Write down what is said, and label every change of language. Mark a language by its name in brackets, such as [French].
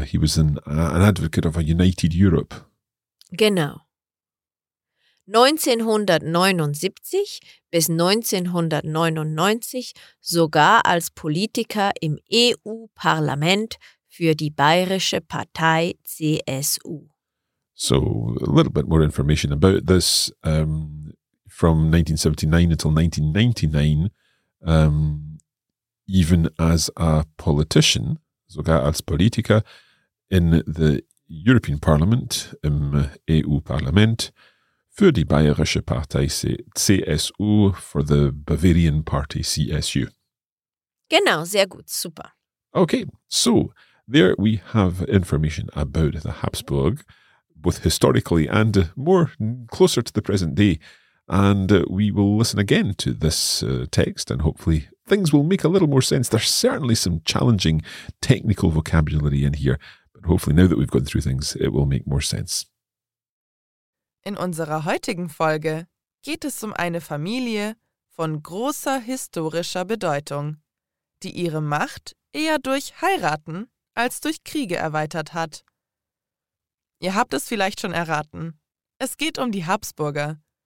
[English] He was an advocate of a united Europe. [German] Genau. 1979 bis 1999 sogar als Politiker im EU-Parlament für die Bayerische Partei CSU. [English] So a little bit more information about this. From 1979 until 1999, even as a politician, [German] sogar als Politiker, [English] in the European Parliament, [German] im EU-Parlament, für die Bayerische Partei CSU, [English] for the Bavarian Party CSU. [German] Genau, sehr gut, super. [English] Okay, so there we have information about the Habsburg, both historically and more closer to the present day. And we will listen again to this text and hopefully things will make a little more sense. There's certainly some challenging technical vocabulary in here, but hopefully now that we've gone through things, it will make more sense. [German] In unserer heutigen Folge geht es um eine Familie von großer historischer Bedeutung, die ihre Macht eher durch Heiraten als durch Kriege erweitert hat. Ihr habt es vielleicht schon erraten. Es geht um die Habsburger.